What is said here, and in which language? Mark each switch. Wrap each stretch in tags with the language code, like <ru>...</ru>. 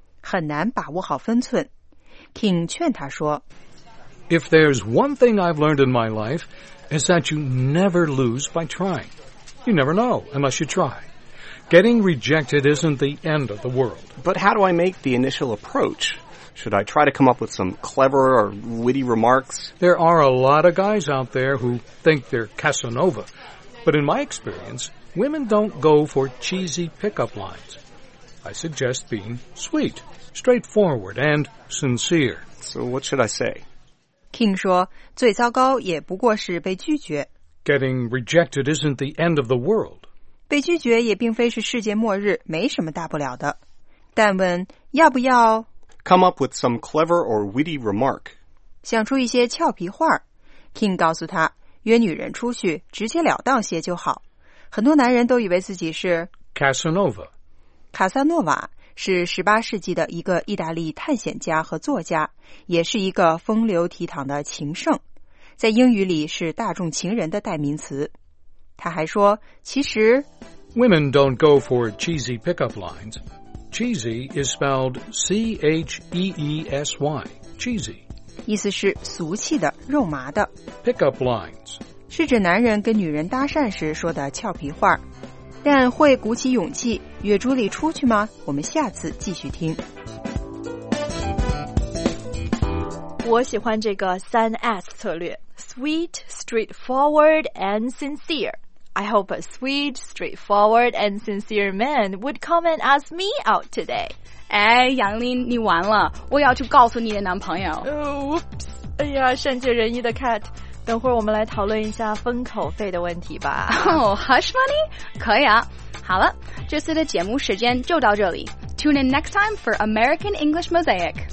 <zh>很难把握好分寸 King 劝他说</zh> <en>If there's one thing I've learned in my life is that you never lose by trying You never know unless you try Getting rejected isn't the end of the world But how do I make the initial approach? Should I try to come up with some clever or witty remarks? There are a lot of guys out there who think they're Casanova. But in my experience, women don't go for cheesy pickup lines. I suggest being sweet, straightforward, and sincere. So what should I say?</en> <zh>King 说最糟糕也不过是被拒绝。</zh> <en>Getting rejected isn't the end of the world.</en> <zh>被拒绝也并非是世界末日没什么大不了的。但问要不要</zh> <en>Come up with some clever or witty remark.</en> <zh>想出一些俏皮话。 King 告诉他，约女人出去，直截了当些就好。很多男人都以为自己是</zh> <en>Casanova.</en> <zh>卡萨诺瓦是18世纪的一个意大利探险家和作家，也是一个风流倜傥的情圣，在英语里是大众情人的代名词。他还说，其实</zh> <en>Women don't go for cheesy pickup lines. Cheesy is spelled C-H-E-E-S-Y, cheesy.</en> <zh>意思是俗气的、肉麻的。</zh> <en>Pickup lines.</en> <zh>是指男人跟女人搭讪时说的俏皮话。但会鼓起勇气约朱莉出去吗？我们下次继续听。我喜欢这个三 S 策略 ,</zh> <en>sweet, straightforward, and sincere. I hope a sweet, straightforward, and sincere man would come and ask me out today.</en> <zh>哎，杨林，你完了，我要去告诉你的男朋友。 Oops, 哎呀，善解人意的 Cat, 等会儿我们来讨论一下封口费的问题吧。</zh> <en>Oh, hush money?</en> <zh>可以啊。好了，这次的节目时间就到这里。</zh> <en>Tune in next time for American English Mosaic.</en>